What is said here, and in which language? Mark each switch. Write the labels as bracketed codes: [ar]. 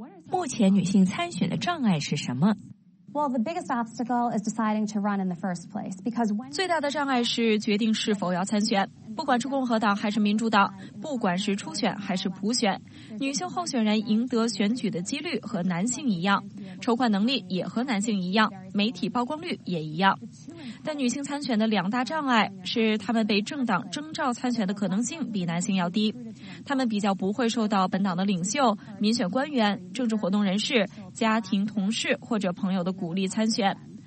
[zh] 目前女性参选的障碍是什么？ [en] Well, the biggest obstacle is deciding to run in the first place. Because when [zh] 最大的障碍是决定是否要参选，不管是共和党还是民主党，不管是初选还是普选，女性候选人赢得选举的几率和男性一样，筹款能力也和男性一样，媒体曝光率也一样。但女性参选的两大障碍是她们被政党征召参选的可能性比男性要低，她们比较不会受到本党的领袖、民选官员、政治活动人士、家庭同事或者朋友的鼓励参选。